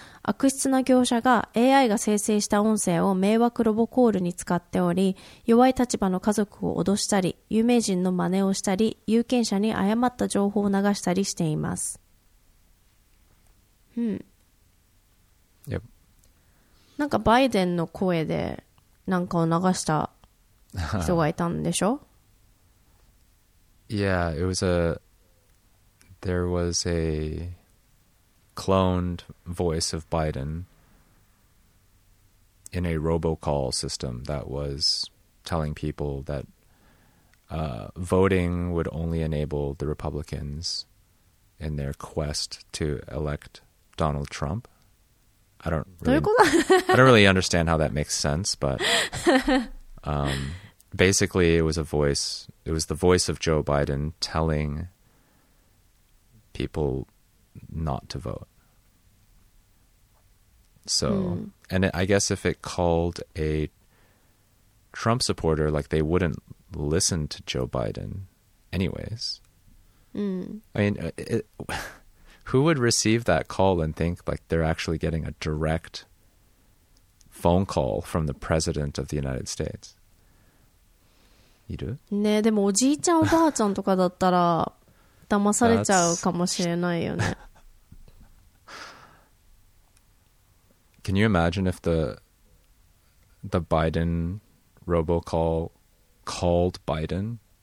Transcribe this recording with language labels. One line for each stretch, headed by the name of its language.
Japanese: 悪質な業者が AI が生成した音声を迷惑ロボコールに使っており、弱い立場の家族を脅したり、有名人の真似をしたり、有権者に誤った情報を流したりしています。
English: Hmm. Yep.
Japanese: なんかバイデンの声でなんかを流した人がいたんでしょ?
English: Yeah, it was a... There was a cloned voice of Biden in a robocall system that was telling people that、voting would only enable the Republicans in their quest to electDonald Trump. I don't really understand how that makes sense, but basically it was a voice, it was the voice of Joe Biden telling people not to vote. So, and I guess if it called a Trump supporter, like they wouldn't listen to Joe Biden anyways. I mean, Who would receive that call and think like they're actually getting a direct phone call from the President of the United States?
Japanese: いる? ね、でもおじいちゃんおばあちゃんとかだったら騙されちゃうかもしれないよね。
English: Can you imagine if the Biden robocall called Biden?